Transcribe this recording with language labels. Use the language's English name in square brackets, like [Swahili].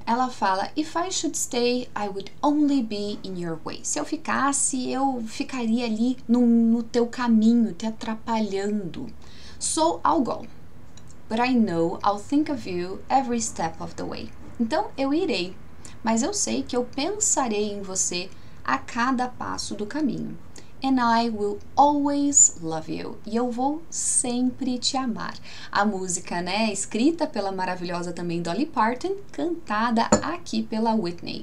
[Portuguese] Ela fala, [English] if I should stay, I would only be in your way. [Portuguese] Se eu ficasse, eu ficaria ali no teu caminho, te atrapalhando. [English] So, I'll go. But I know I'll think of you every step of the way. [Portuguese] Então, eu irei, mas eu sei que eu pensarei em você a cada passo do caminho. [English] And I will always love you. [Portuguese] E eu vou sempre te amar. A música, né, escrita pela maravilhosa também Dolly Parton, cantada aqui pela Whitney.